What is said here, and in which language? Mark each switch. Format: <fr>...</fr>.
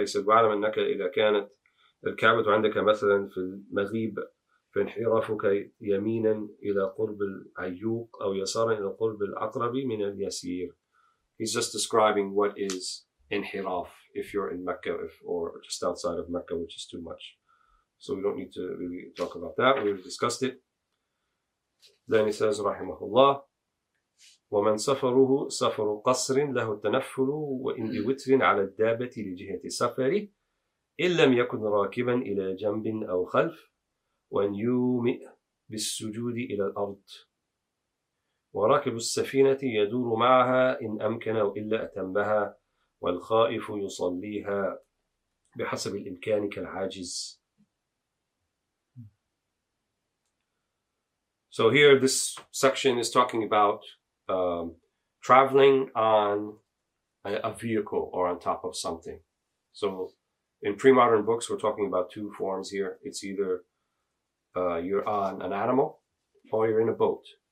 <en>He said,</en> <ar>وَعَلَمَ أَنَّكَ إِذَا كَانَتْ الْكَعْبَةُ عَنْدَكَ مَثَلًا فِي الْمَغِيبِ فَانْحِرَافُكَ يَمِينًا إِلَى قُرْبِ الْعَيُّوقِ أَوْ يَسَارًا إِلَى قُرْبِ الْعَقْرَبِ مِنَ الْيَسِيرِ.</ar> <en>He's just describing what is inhiraf if you're in Mecca or just outside of Mecca, which is too much. So we don't need to really talk about that. We've discussed it. Then he says,</en> <ar>Rahimahullah, وَمَنْ سَفَرُهُ سَفَرُ قَصْرٍ لَهُ التَّنَفُّلُ وَإِنْ بِوِتْرٍ عَلَى الدَّابَةِ لِجِهَةِ سَفَرِ إِنْ لَمْ يَكُنْ رَاكِبًا إِلَى جَنْبٍ أَوْ خَلْفٍ وَإِنْ يُومِئْ بِالسُّجُودِ إِلَى الْأَرْضِ وَرَاكِبُ السَّفِينَةِ يَدُورُ مَعَهَا إِنْ أَمْكَنَ وَإِلَّا أَتَمَّهَا وَالْخَائِفُ يُصَلِّيهَا بِحَسَبِ الْإِمْكَانِ كَالْعَاجِزِ.</ar> <en>So here this section is talking about traveling on a vehicle or on top of something. So in pre-modern books, we're talking about two forms here. It's either you're on an animal or you're in a boat.</en>